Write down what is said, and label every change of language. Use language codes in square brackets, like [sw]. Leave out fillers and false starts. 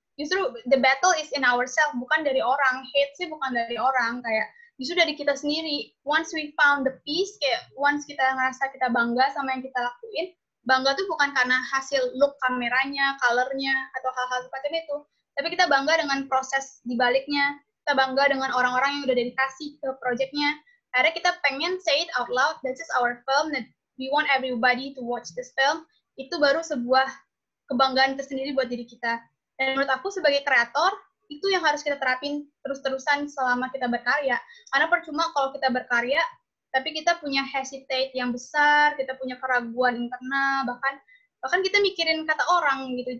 [id] Justru [en] the battle is in ourselves, [id] bukan dari orang. Hate sih bukan dari orang, kayak justru dari kita sendiri. [en] Once we found the peace, [id] kayak once kita ngerasa kita bangga sama yang kita lakuin, bangga tuh bukan karena hasil look kameranya, color-nya, atau hal-hal seperti itu. Tapi kita bangga dengan proses dibaliknya, kita bangga dengan orang-orang yang udah dedikasi ke projectnya. Akhirnya kita pengen [en] say it out loud, this is our film, that we want everybody to watch this film. [id] Itu baru sebuah kebanggaan tersendiri buat diri kita. Dan menurut aku sebagai kreator, itu yang harus kita terapin terus-terusan selama kita berkarya. Karena percuma kalau kita berkarya, tapi kita punya hesitate yang besar, kita punya keraguan internal, bahkan kita mikirin kata orang gitu.